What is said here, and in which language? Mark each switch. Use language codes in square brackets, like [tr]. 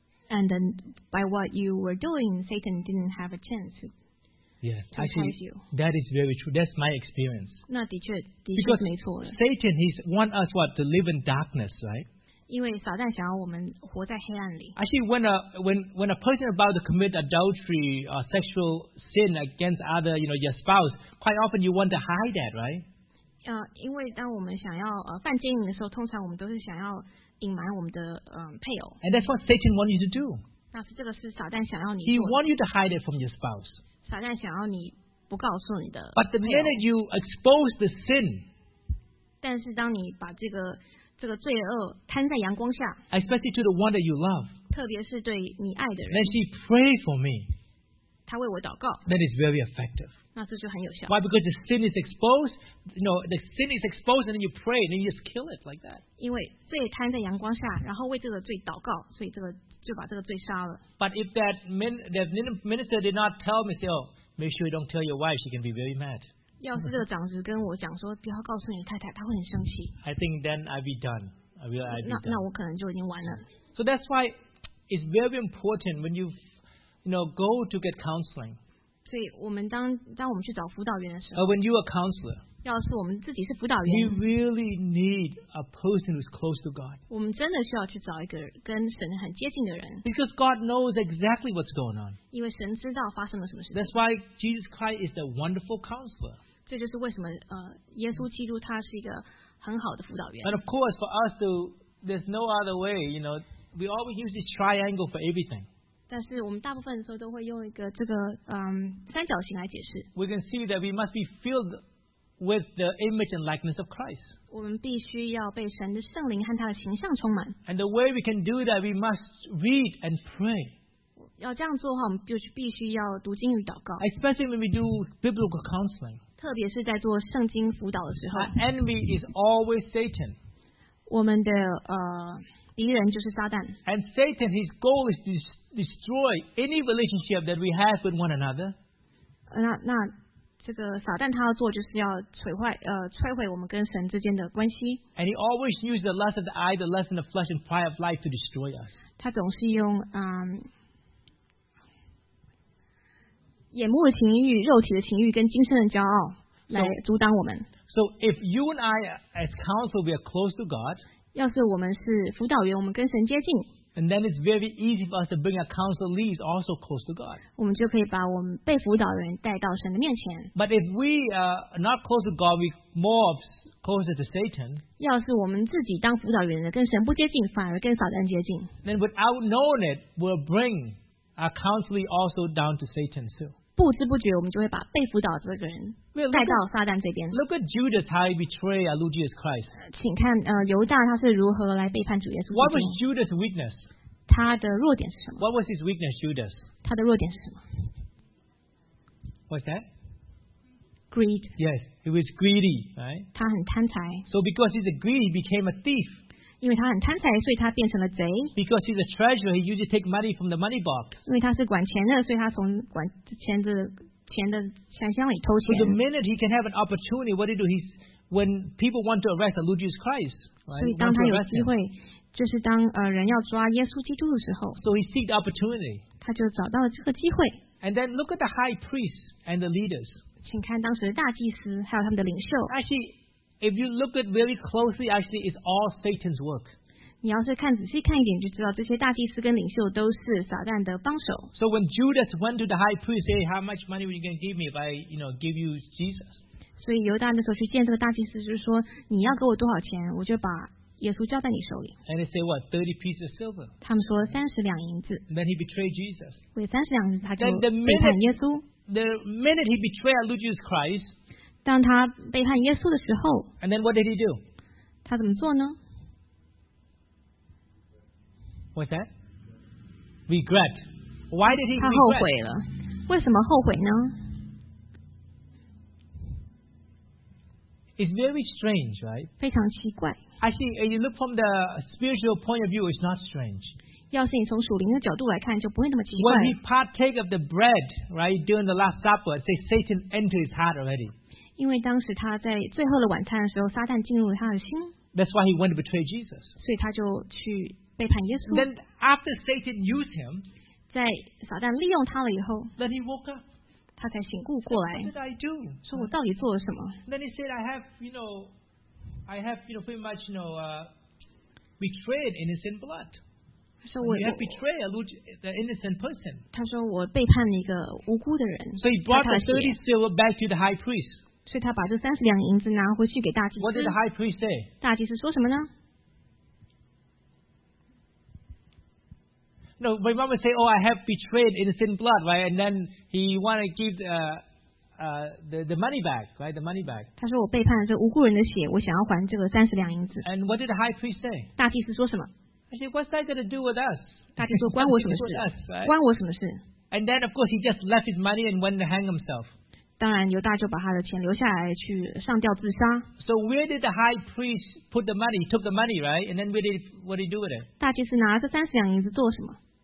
[en] And then by what you were doing, Satan didn't have a chance. Yes, actually, that is very true. That's my experience. [zh] 那的确，的确是没错的。 [en] Because Satan, he wants us what to live in darkness, right? [zh] 因为撒旦想要我们活在黑暗里。 [en] Actually, when a person about to commit adultery or sexual sin against other, you know, your spouse, quite often you want to hide that, right? [zh] 因为当我们想要犯奸淫的时候，通常我们都是想要隐瞒我们的配偶。 [en] And that's what Satan wants you to do. [zh] 那是这个是撒旦想要你。 [en] He wants you to hide it from your spouse. [zh] 撒旦想要你不告诉你的。 [en] But the minute you expose the sin, [zh] 但是当你把这个罪恶摊在阳光下 [en] ，especially to the one that you love, [zh] 特别是对你爱的人 [en] ，then she pray for me, [zh] 她为我祷告 [en] ，that is very effective. [zh] 那这就很有效。 [en] Why? Because the sin is exposed. You know, the sin is exposed, and then you pray, and then you just kill it like that. [zh] 因为罪摊在阳光下，然后为这个罪祷告，所以这个。就把这个罪杀了。 [en] But if that minister did not tell me, say, oh, make sure you don't tell your wife, she can be very mad. [zh] 要是这个长子跟我讲说，不要告诉你太太，她会很生气。 [en] I think then I'd be done. I will be done. [zh] 那我可能就已经完了。 [en] So that's why it's very important when you know, go to get counseling. [zh] 所以我们当我们去找辅导员的时候。 [en] When you are counselor. [zh] 要是我们自己是辅导员 [en] ，We really need a person who's close to God. [zh] 我们真的需要去找一个跟神很接近的人。 [en] Because God knows exactly what's going on. [zh] 因为神知道发生了什么事情。 [en] That's why Jesus Christ is the wonderful counselor. [zh] 这就是为什么耶稣基督他是一个很好的辅导员。 [en] And of course, for us to, there's no other way. You know, we always use this triangle for everything. [zh] 但是我们大部分的时候都会用一个这个三角形来解释。 [en] We can see that we must be filled. With the image and likeness of Christ. [zh] 我们必须要被神的圣灵和他的形象充满。 [en] And the way we can do that, we must read and pray. [zh] 要这样做的话，我们就必须要读经与祷告。 [en] Especially when we do biblical counseling. [zh] 特别是在做圣经辅导的时候。 [en] Our enemy is always Satan. [zh] 我们的敌人就是撒旦。 [en] And Satan, his goal is to destroy any relationship that we have with one another. [zh] 那这个撒旦他要做就是要摧毁我们跟神之间的关系。 [en] And he always used the lust of the eye, the lust of the flesh, and pride of life to destroy us. [zh] 他总是用眼目的情欲、肉体的情欲跟今生的骄傲来阻挡我们。 [en] So if you and I as counsel we are close to God, [zh] 要是我们是辅导员，我们跟神接近。 [en] And then it's very easy for us to bring our counselees also close to God. [zh] 我们就可以把我们被辅导的人带到神的面前。 [en] But if we are not close to God, we're more closer to Satan. [zh] 要是我们自己当辅导员的跟神不接近，反而跟撒旦接近。 [en] Then without knowing it, we'll bring our counselee also down to Satan too. [zh] 不知不觉，我们就会把被辅导这个人带到撒旦这边。 [en] Look at Judas how he betrayed our Lord Jesus Christ. [zh] 请看犹大他是如何来背叛主耶稣。 [en] What was Judas' weakness? [zh] 他的弱点是什么 [en] ？What was his weakness, Judas? [zh] 他的弱点是什么 [en] ？What's that? Greed. greed. Yes, he was greedy, right? [zh] 他很贪财。 [en] So because he's a greedy, he became a thief. [zh] 因为他很贪财，所以他变成了贼。 [en] Because he's a treasurer, he used to take money from the money box. [zh] 因为他是管钱的，所以他从管钱的钱的钱箱里偷钱。 [en] So the minute he can have an opportunity, what do? He's when people want to arrest the Lord Jesus Christ, right? [zh] 所以当他有机会。就是当人要抓耶稣基督的时候 [en] ，so he seek the opportunity， [zh] 他就找到了这个机会。 [en] And then look at the high priests and the leaders， [zh] 请看当时的大祭司还有他们的领袖。 [en] Actually, if you look at very closely, actually it's all Satan's work。 [zh] 你要是看仔细看一点，就知道这些大祭司跟领袖都是撒旦的帮手。 [en] So when Judas went to the high priest, say, "How much money are you going to give me if I, you know, give you Jesus?" [zh] 所以犹大那时候去见这个大祭司，就是说你要给我多少钱，我就把。耶稣交在你手里。 [en] And they say what? 30 pieces of silver. [zh] 他们说三十两银子。 [en] Then he betrayed Jesus. [zh] 为三十两银子，他就背叛耶稣。 [en] The minute he betrayed Lord Jesus Christ. [zh] 当他背叛耶稣的时候。 [en] And then what did he do? [zh] 他怎么做呢？ [en] What's that? Regret. Why did he regret? [zh] 他后悔了。为什么后悔呢？ [en] It's very strange, right? [zh] 非常奇怪。 [en] Actually, if you look from the spiritual point of view, it's not strange. [zh] 要是你从属灵的角度来看，就不会那么奇怪。 [en] When he partake of the bread, right, during the Last Supper, say Satan entered his heart already. [zh] 因为当时他在最后的晚餐的时候，撒旦进入了他的心。 [en] That's why he went to betray Jesus. [zh] 所以他就去背叛耶稣。 [en] Then after Satan used him, [zh] 在撒旦利用他了以后 [en] ，Then he woke up. [zh] 他才醒悟过来。 [en] What did I do? [zh] 说我到底做了什么 [en] ？Then he said, I have betrayed innocent blood. So we have betrayed the innocent person. [zh] 他说我背叛了一个无辜的人。 [en] So he brought the 30 silver back to the high priest. [zh] 所以他把这三十两银子拿回去给大祭司。 [en] What did the high priest say? [zh] 大祭司说什么呢？ [en] No, my mom would say, "Oh, I have betrayed innocent blood, right?" And then he want to give the money back, right? The money back. [zh] 他说我背叛了这无辜人的血，我想要还这个三十两银子。 [en] And what did the high priest say? [zh] 大祭司说什么？ [en] I said, "What's that going to do with us?" [zh] 大祭司说关我什么事？ [en] us, right? [zh] 关我什么事 [en] ？And then, of course, he just left his money and went to hang himself. [zh] 当然，犹大就把他的钱留下来去上吊自杀。 [en] So where did the high priest put the money? He took the money, right? And then what did he do with it? [zh] 大祭司拿了这三十两银子做什么？